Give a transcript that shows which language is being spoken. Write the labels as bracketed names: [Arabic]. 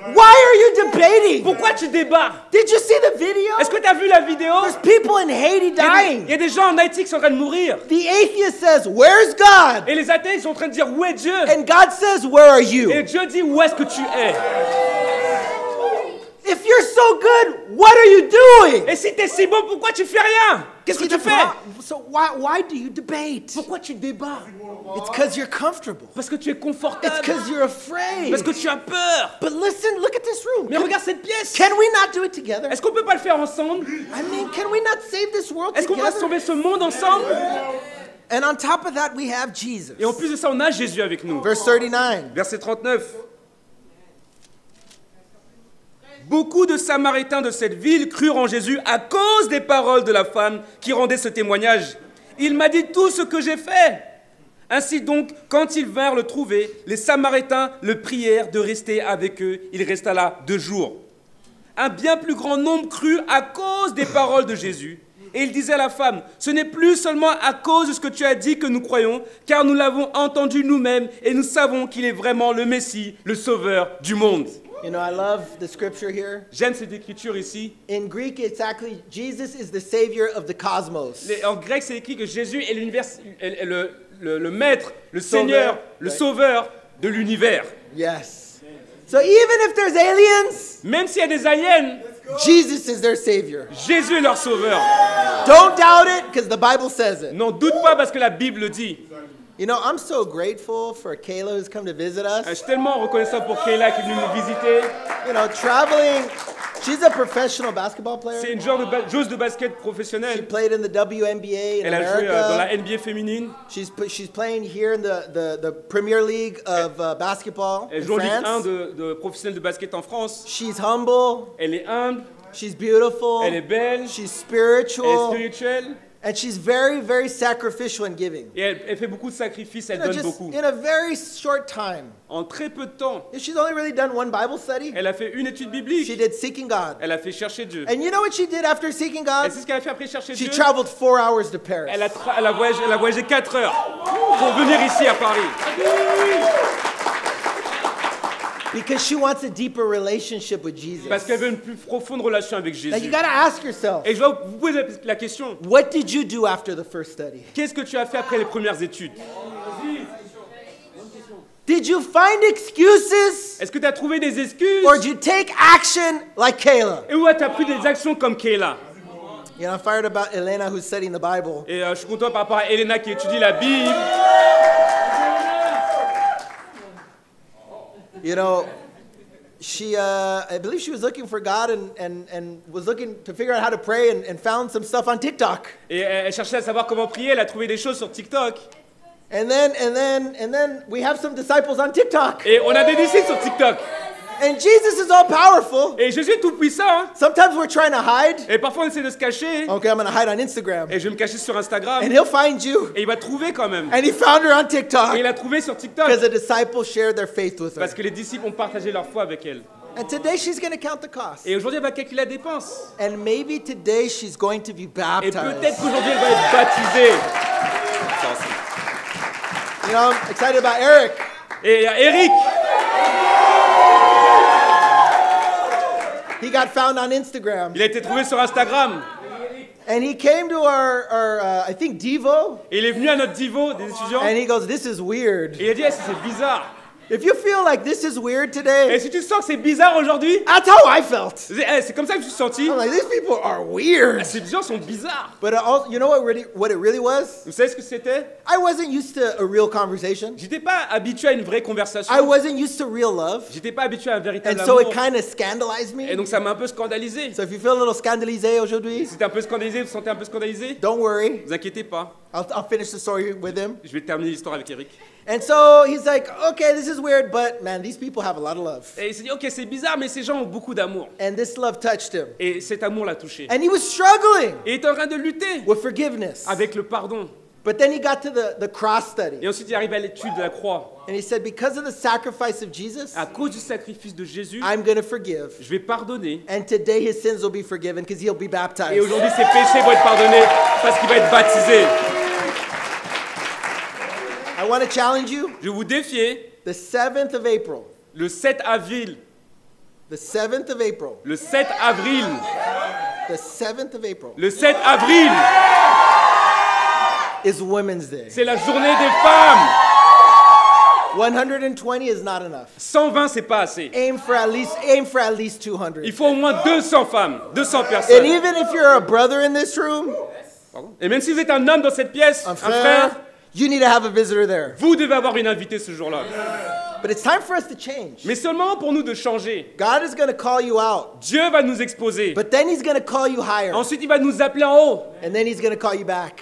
[English] Why are you debating? [French] Pourquoi tu débats? [English] Did you see the video? [French] Est-ce que tu as vu la vidéo? [English] There's people in Haiti dying. [French] Il y a des gens en Haïti qui sont en train de mourir. [English] The atheist says, "Where's God?" [French] Et les athées sont en train de dire, où est Dieu? [English] And God says, "Where are you?" [French] Et Dieu dit, où est-ce que tu es? [English] If you're so good, what are you doing? [French] Et si t'es si bon, pourquoi tu fais rien? Qu'est-ce que tu fais? [English] So why do you debate? [French] Pourquoi tu débats? [English] It's because you're comfortable. [French] Parce que tu es confortable. [English] It's because you're afraid. [French] Parce que tu as peur. [English] But listen, look at this room. [French] Mais regarde cette pièce. [English] Can we not do it together? [French] Est-ce qu'on peut pas le faire ensemble? [English] I mean, can we not save this world [French] Est-ce [English] together? [French] Est-ce qu'on peut sauver ce monde ensemble? [English] And on top of that, we have Jesus. [French] Et en plus de ça, on a Jésus avec nous. [English] Verse 39. [French] Verset 39. Beaucoup de Samaritains de cette ville crurent en Jésus à cause des paroles de la femme qui rendait ce témoignage. Il m'a dit tout ce que j'ai fait. Ainsi donc, quand ils vinrent le trouver, les Samaritains le prièrent de rester avec eux. Il resta là 2 jours. Un bien plus grand nombre crut à cause des paroles de Jésus. Et il disait à la femme, ce n'est plus seulement à cause de ce que tu as dit que nous croyons, car nous l'avons entendu nous-mêmes et nous savons qu'il est vraiment le Messie, le Sauveur du monde. [English] You know, I love the scripture here. [French] J'aime cette écriture ici. [English] In Greek, exactly, Jesus is the savior of the cosmos. [French] En grec, c'est écrit que Jésus est l'univers, le maître, le Seigneur, le Sauveur de l'univers. [English] Yes. So even if there's aliens, [French] même s'il y a des aliens, [English] Jesus is their savior. [French] Jésus est leur sauveur. [English] Don't doubt it, because the Bible says it. [French] N'en doute pas parce que la Bible le dit. [English] You know, I'm so grateful for Kayla who's come to visit us. [French] Je suis tellement reconnaissant pour Kayla qui est venue nous visiter. [English] You know, traveling. She's a professional basketball player. [French] C'est une joueuse de basket professionnelle. [English] She played in the WNBA in [French] Elle [English] America. [French] A joué dans la NBA féminine. [English] She's playing here in the Premier League of basketball [French] Elle joue en Ligue 1 de professionnel de basket en France. [English] She's humble. [French] Elle est humble. [English] She's beautiful. [French] Elle est belle. [English] She's spiritual. [French] Elle est spirituelle. [English] And she's very, very sacrificial in giving. [French] Et elle fait beaucoup de sacrifices. Elle donne beaucoup. [English] In a very short time. [French] En très peu de temps. [English] And she's only really done one Bible study. [French] Elle a fait une étude biblique. [English] She did seeking God. [French] Elle a fait chercher Dieu. [English] And you know what she did after seeking God? [French] Et c'est ce qu'elle a fait après chercher [English] she [French] Dieu. [English] She traveled 4 hours to Paris. [French] Elle a voyagé 4 heures pour venir ici à Paris. [English] Because she wants a deeper relationship with Jesus. [French] Parce qu'elle veut une plus profonde relation avec Jésus. [English] Now you gotta ask yourself. [French] Et je vais vous poser la question. [English] What did you do after the first study? [French] Qu'est-ce que tu as fait après les premières études? [English] Did you find excuses? [French] Est-ce que tu as trouvé des excuses? [English] Or did you take action like Kayla? [French] Et où as-tu pris des actions comme Kayla? [English] You know, I'm fired about Elena who's studying the Bible. [French] Et je suis content par rapport à Elena qui étudie la Bible. [English] You know, she—I believe she was looking for God and was looking to figure out how to pray and found some stuff on TikTok. [French] Et elle cherchait à savoir comment prier. Elle a trouvé des choses sur TikTok. [English] And then we have some disciples on TikTok. [French] Et on a des disciples sur TikTok. [English] And Jesus is all powerful. [French] Et Jésus est tout puissant. [English] Sometimes we're trying to hide. [French] Et parfois on essaie de se cacher. [English] Okay, I'm gonna hide on Instagram. [French] Et je vais me cacher sur Instagram. [English] And he'll find you. [French] Et il va trouver quand même. [English] And he found her on TikTok. [French] Et il a trouvé sur TikTok. [English] Because the disciples shared their faith with her. [French] Parce que les disciples ont partagé leur foi avec elle. [English] And today she's going to count the cost. [French] Et aujourd'hui elle va calculer la dépense. [English] And maybe today she's going to be baptized. [French] Et peut-être qu'aujourd'hui elle va être baptisée. [English] You know, I'm excited about Eric. [French] Et il y a Eric. [English] He got found on Instagram. [French] Il a été trouvé sur Instagram. [English] And he came to our Devo. [French] Il est venu à notre Devo des étudiants. [English] And he goes, this is weird. [French] Et il a dit, c'est bizarre. [English] If you feel like this is weird today. [French] Et si tu sens que c'est bizarre aujourd'hui. [English] That's how I felt. [French] C'est comme ça que je me suis senti. [English] I'm like, these people are weird. [French] Ces gens sont bizarres. [English] But also, you know what it really was? [French] Vous savez ce que c'était? [English] I wasn't used to a real conversation. [French] J'étais pas habitué à une vraie conversation. [English] I wasn't used to real love. [French] J'étais pas habitué à un véritable amour. [English] And so it kind of scandalized me. [French] Et donc ça m'a un peu scandalisé. [English] So if you feel a little [French] scandalisé aujourd'hui. Si t'es un peu scandalisé, vous sentez un peu scandalisé. [English] Don't worry. [French] Vous inquiétez pas. [English] I'll finish the story with him. [French] Je vais terminer l'histoire avec Eric. [English] And so he's like, okay, this is weird, but man, these people have a lot of love. [French] Et il s'est dit, okay, c'est bizarre, mais ces gens ont beaucoup d'amour. [English] And this love touched him. [French] Et cet amour l'a touché. [English] And he was struggling. [French] Et il était en train de lutter. [English] With forgiveness. [French] Avec le pardon. [English] But then he got to the cross study. [French] Et ensuite il arrive à l'étude de la croix. [English] And he said, because of the sacrifice of Jesus, [French] à cause du sacrifice de Jésus, [English] I'm going to forgive. [French] Je vais pardonner. [English] And today his sins will be forgiven because he'll be baptized. [French] Et aujourd'hui ses péchés vont être pardonnés parce qu'il va être baptisé. [English] I want to challenge you. [French] Je vous défie. [English] The 7th of April. [French] Le 7 avril. [English] The 7th of April. [French] Le 7 avril. [English] The 7th of April. [French] Le 7 avril. [English] Is Women's Day. [French] C'est la journée des femmes. [English] 120 is not enough. [French] 120 c'est pas assez. [English] Aim for at least 200. [French] Il faut au moins 200 femmes, 200 personnes. [English] And even if you're a brother in this room. [French] Pardon. Et même si vous êtes un homme dans cette pièce, un frère. [English] You need to have a visitor there. [French] Vous devez avoir une invitée ce jour-là. [English] But it's time for us to change. [French] Mais c'est le moment pour nous de changer. [English] God is going to call you out. [French] Dieu va nous exposer. [English] But then he's going to call you higher. [French] Ensuite, il va nous appeler en haut. [English] And then he's going to call you back.